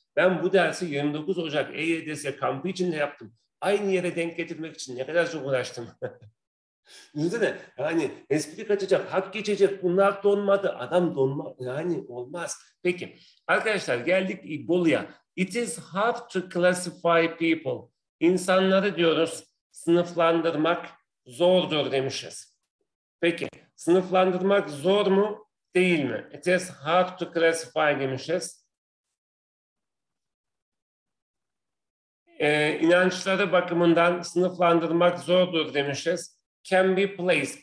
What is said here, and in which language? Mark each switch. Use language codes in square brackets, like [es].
[tr] Ben bu dersi 29 Ocak EYDS kampı için de yaptım. Aynı yere denk getirmek için ne kadar çok uğraştım. Düşünsene yani espri kaçacak, hak geçecek, bunlar donmadı. Adam donma yani olmaz. Peki arkadaşlar geldik İbolu'ya. [en] It is hard to classify people. [tr] İnsanları diyoruz sınıflandırmak zordur demişiz. Peki sınıflandırmak zor mu değil mi? [en] It is hard to classify [tr] demişiz. İnançları bakımından sınıflandırmak zordur demişiz. [en] Can be placed.